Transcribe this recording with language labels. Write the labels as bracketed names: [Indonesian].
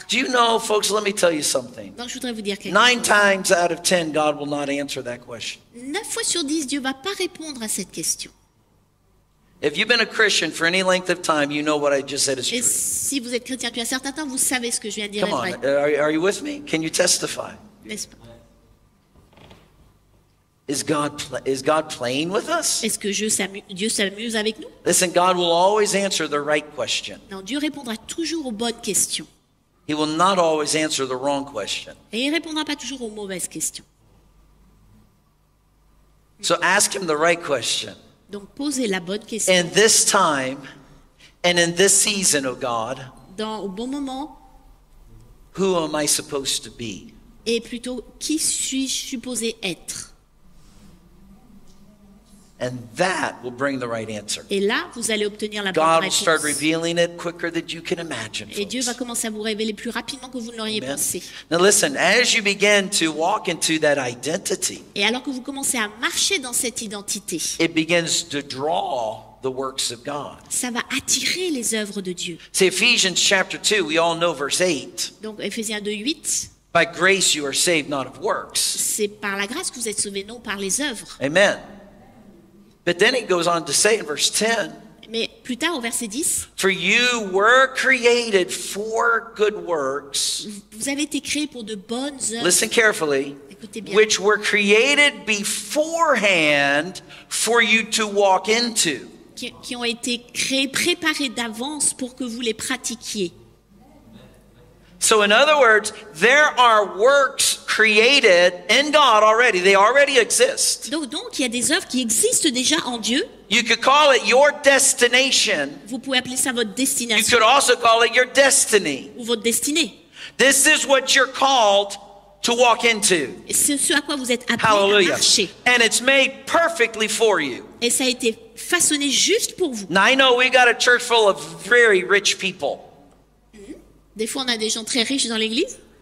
[English] Do you know, folks, let me tell you something. [French] Donc, je voudrais vous dire quelque [English] Nine [French] chose. [English] 9 times out of 10, God will not answer that question. [French] 9 fois sur 10, Dieu ne va pas répondre à cette question. [English] If you've been a Christian for any length of time, you know what I just said is true. [French] Et si vous êtes chrétien depuis un certain temps, vous savez ce que je viens de dire. [English] Come on, are you with me? Can you testify? [French] N'est-ce pas? [English] Is God playing with us? [French] Est-ce que Dieu s'amuse avec nous? [English] Listen, God will always answer the right question. [French] Non, Dieu répondra toujours aux bonnes questions. [English] He will not always answer the wrong question. [French] Et il répondra pas toujours aux mauvaises questions. [English] So ask him the right question. [French] Donc posez la bonne question. [English] In this time and in this season, oh God. [French] Dans au bon moment. [English] Who am I supposed to be? [French] Et plutôt qui suis-je supposé être? [English] And that will bring the right answer. [French] Et là, vous allez obtenir la bonne [English] God [French] réponse. [English] Will start revealing it quicker than you can imagine. [French] Et [English] folks. [French] Dieu va commencer à vous révéler plus rapidement que vous ne l'auriez Amen. Pensé. [English] Now listen, as you begin to walk into that identity. [French] Et alors que vous commencez à marcher dans cette identité. [English] It begins to draw the works of God. [French] Ça va attirer les œuvres de Dieu. [English] See, Ephesians chapter 2, we all know verse 8. [French] Donc Éphésiens 2:8. [English] By grace you are saved, not of works. [French] C'est par la grâce que vous êtes sauvés, non par les œuvres. Amen. [English] But then it goes on to say in verse 10. [French] Mais plus tard au verset 10. [English] For you were created for good works. [French] Vous avez été créés pour de bonnes œuvres. [English] Listen carefully. [French] Écoutez bien. [English] Which were created beforehand for you to walk into. [French] Qui ont été créés, préparés d'avance pour que vous les pratiquiez. [English] So in other words, there are works created in God already. They already exist. [French] Donc il y a des œuvres qui existent déjà en Dieu. [English] You could call it your destination. [French] Vous pouvez appeler ça votre destination. [English] You could also call it your destiny. [French] Ou votre destinée. [English] This is what you're called to walk into. [French] C'est ce à quoi vous êtes appelé. Hallelujah. À marcher. [English] And it's made perfectly for you. [French] Et ça a été façonné juste pour vous. [English] Now I know we got a church full of very rich people. [French] Des fois, on a des gens très riches dans l'église.